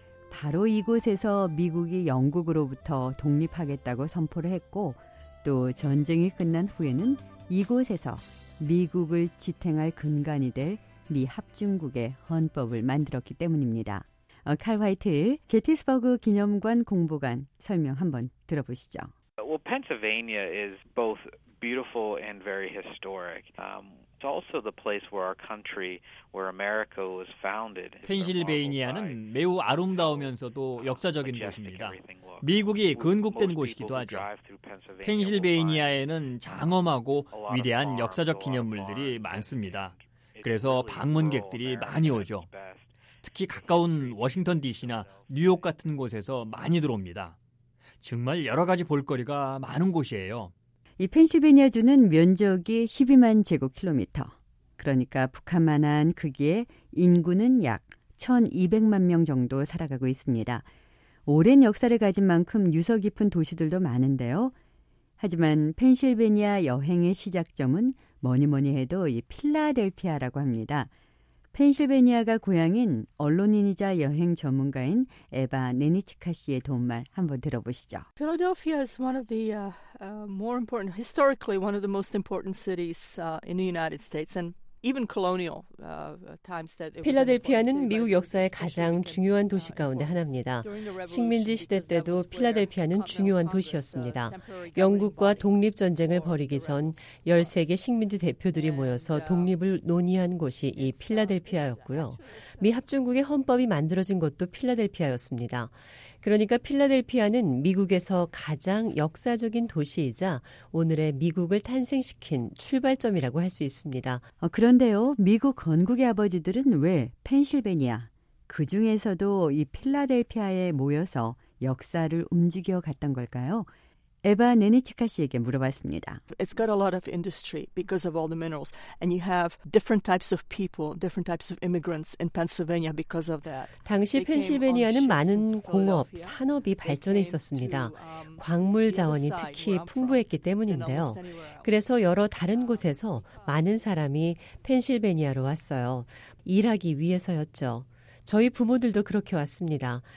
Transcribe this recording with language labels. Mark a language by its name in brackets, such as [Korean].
[Korean] 바로 이곳에서 미국이 영국으로부터 독립하겠다고 선포를 했고, 또 전쟁이 끝난 후에는 이곳에서 미국을 지탱할 근간이 될 미 합중국의 헌법을 만들었기 때문입니다. 칼 화이트의 게티스버그 기념관 공보관 설명 한번 들어보시죠. [English] Well, Pennsylvania is both beautiful and very historic. It's also the place where our country, where America was founded. [Korean] 펜실베이니아는 매우 아름다우면서도 역사적인 곳입니다. 미국이 건국된 곳이기도 하죠. 펜실베이니아에는 장엄하고 위대한 역사적 기념물들이 많습니다. 그래서 방문객들이 많이 오죠. 특히 가까운 워싱턴 DC나 뉴욕 같은 곳에서 많이 들어옵니다. 정말 여러 가지 볼거리가 많은 곳이에요. 이 펜실베니아주는 면적이 12만 제곱킬로미터. 그러니까 북한만한 크기에 인구는 약 1200만 명 정도 살아가고 있습니다. 오랜 역사를 가진 만큼 유서 깊은 도시들도 많은데요. 하지만 펜실베니아 여행의 시작점은 뭐니 뭐니 해도 이 필라델피아라고 합니다. 펜실베니아가 고향인 언론인이자 여행 전문가인 에바 네니치카 씨의 도움말 한번 들어보시죠. [English] Philadelphia is one of the more important, historically one of the most important cities in the United States and even colonial times that it was. [Korean] 필라델피아는 미국 역사의 가장 중요한 도시 가운데 하나입니다. 식민지 시대 때도 필라델피아는 중요한 도시였습니다. 영국과 독립 전쟁을 벌이기 전 13개 식민지 대표들이 모여서 독립을 논의한 곳이 이 필라델피아였고요. 미 합중국의 헌법이 만들어진 곳도 필라델피아였습니다. 그러니까 필라델피아는 미국에서 가장 역사적인 도시이자 오늘의 미국을 탄생시킨 출발점이라고 할 수 있습니다. 그런데요, 미국 건국의 아버지들은 왜 펜실베니아, 그 중에서도 이 필라델피아에 모여서 역사를 움직여 갔던 걸까요? 에바 네니치카 씨에게 물어봤습니다. [English] It's got a lot of industry because of all the minerals and you have different types of people, different types of immigrants in Pennsylvania because of that. [Korean] 당시 펜실베니아는 많은 공업, 산업이 발전해 있었습니다. 광물 자원이 특히 풍부했기 때문인데요. 그래서 여러 다른 곳에서 많은 사람이 펜실베니아로 왔어요. 일하기 위해서였죠. 저희 부모들도 그렇게 왔습니다.